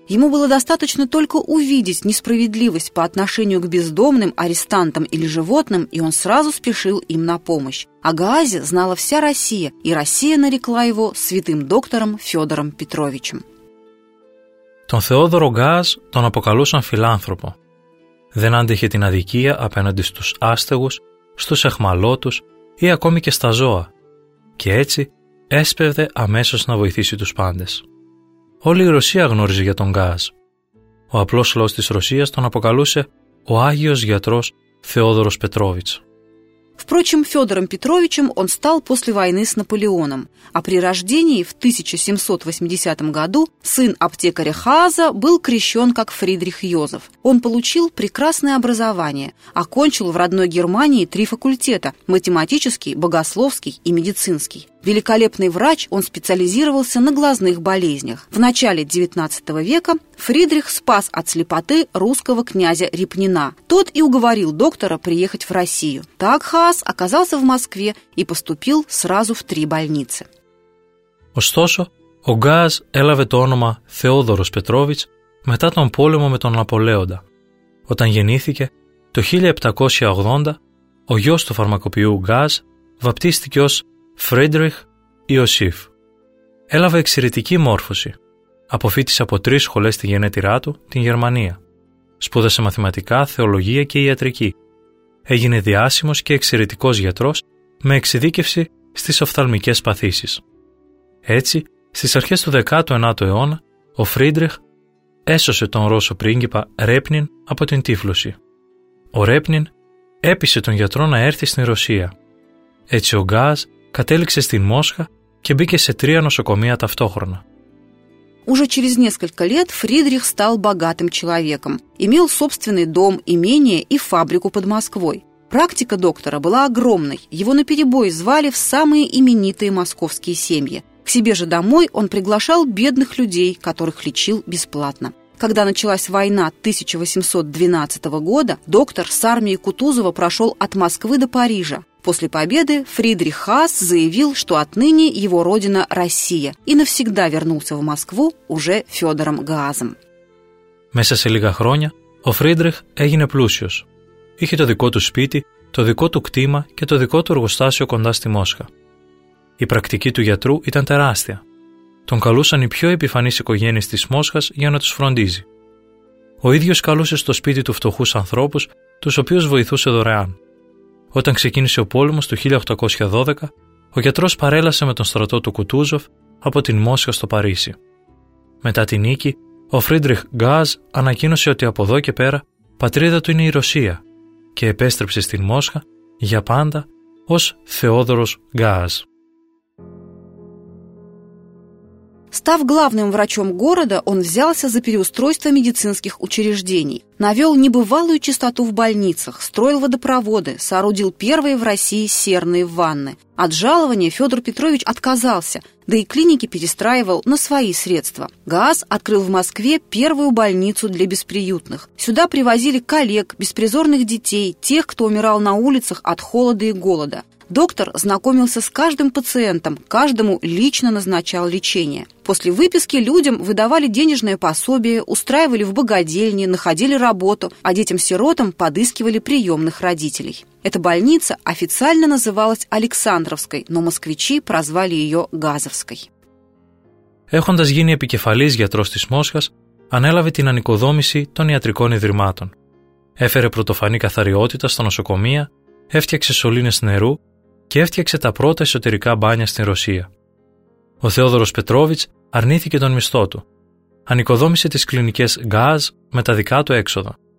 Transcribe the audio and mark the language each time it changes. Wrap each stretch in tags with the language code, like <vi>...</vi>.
<ru>Ему было достаточно только увидеть несправедливость по отношению к бездомным, арестантам или животным, и он сразу спешил им на помощь. О Гаазе знала вся Россия, и Россия нарекла его святым доктором Федором Петровичем.</ru> <el>Тон Феодоро Гааз тон апокалούσαν филантропо. Δεν άντεχε την αδικία απέναντι στους άστεγους, στους εχμαλώτους ή ακόμη και στα ζώα. Και έτσι έσπευδε αμέσως να βοηθήσει τους πάντες. Όλη η Ρωσία γνώριζε για τον Γκάζ. Ο απλός λαός της Ρωσίας τον αποκαλούσε ο Άγιος Γιατρός Θεόδωρος Πετρόβιτς.</el> <ru>Впрочем, Федором Петровичем он стал после войны с Наполеоном, а при рождении в 1780 году сын аптекаря Хааза был крещен как Фридрих Йозеф. Он получил прекрасное образование, окончил в родной Германии три факультета – математический, богословский и медицинский. Великолепный врач, он специализировался на глазных болезнях. В начале XIX века Фридрих спас от слепоты русского князя Репнина. Тот и уговорил доктора приехать в Россию. Так Хааз оказался в Москве и поступил сразу в три больницы.</ru> <el>Ωστόσο, ο Γκάζ έλαβε το όνομα Θεόδωρος Πετρόβιτς μετά τον πόλεμο με τον Ναπολέοντα. Όταν γεννήθηκε, το 1780, ο γιος του φαρμακοποιού Γκάζ βαπτίστηκε ως Φρίντριχ Ιωσήφ. Έλαβε εξαιρετική μόρφωση. Αποφύτησε από τρεις σχολές στη γενέτειρά του την Γερμανία. Σπούδασε μαθηματικά, θεολογία και ιατρική. Έγινε διάσημος και εξαιρετικός γιατρός με εξειδίκευση στις οφθαλμικές παθήσεις. Έτσι, στις αρχές του 19ου αιώνα, ο Φρίντριχ έσωσε τον Ρώσο πρίγκιπα Ρέπνιν από την τύφλωση. Ο Ρέπνιν έπεισε τον γιατρό να έρθει στην Ρωσία. Έτσι, ο Γκάζ κατέληξε στη Μόσχα και μπήκε σε τρία νοσοκομεία ταυτόχρονα.</el> <ru>Уже через несколько лет Фридрих стал богатым человеком, имел собственный дом, имение и фабрику под Москвой. Практика доктора была огромной, его наперебой звали в самые именитые московские семьи. К себе же домой он приглашал бедных людей, которых лечил бесплатно. Когда началась война 1812 года, доктор с армией Кутузова прошел от Москвы до Парижа. После победы Фридрих Хааз заявил, что отныне его родина Россия, и навсегда вернулся в Москву уже Федором Гаазом.</ru> <el>Μέσα σε λίγα χρόνια ο Φρίντριχ έγινε πλούσιος. Είχε το δικό του σπίτι, το δικό του κτήμα και το δικό του εργοστάσιο κοντά στη Μόσχα. Η πρακτική του γιατρού ήταν τεράστια. Τον καλούσαν οι πιο επιφανείς οικογένειες της Μόσχας για να τους φροντίζει. Ο ίδιος καλούσε στο σπίτι του φτωχούς ανθρώπους, τους οποίους βοηθούσε δωρεάν. Όταν ξεκίνησε ο πόλεμος το 1812, ο γιατρός παρέλασε με τον στρατό του Κουτούζοφ από την Μόσχα στο Παρίσι. Μετά την νίκη, ο Φρίντριχ Γκάζ ανακοίνωσε ότι από εδώ και πέρα πατρίδα του είναι η Ρωσία και επέστρεψε στην Μόσχα για πάντα ως Θεόδωρος Γκάζ.</el> <ru>Став главным врачом города, он взялся за переустройство медицинских учреждений. Навел небывалую чистоту в больницах, строил водопроводы, соорудил первые в России серные ванны. От жалования Федор Петрович отказался, да и клиники перестраивал на свои средства. ГААС открыл в Москве первую больницу для бесприютных. Сюда привозили коллег, беспризорных детей, тех, кто умирал на улицах от холода и голода. Доктор знакомился с каждым пациентом, каждому лично назначал лечение. После выписки людям выдавали денежное пособие, устраивали в богадельни, находили работу, а детям-сиротам подыскивали приемных родителей. Эта больница официально называлась Александровской, но москвичи прозвали ее Газовской.</ru> <el>Έχοντας γίνει επικεφαλής γιατρός της Μόσχας, ανέλαβε την ανοικοδόμηση των ιατρικών ιδρυμάτων. Έφερε πρωτοφανή καθαριότητα στα νοσοκομεία, έφτιαξε σωλήνες νερού και έφτιαξε τα πρώτα εσωτερικά μπάνια στην Ρωσία. Ο Θεόδωρος Πετρόβιτς αρνήθηκε τον μισθό του. Ανοικοδόμησε τις κλινικές ΓΑΖ με τα δικά του έξοδα.</el>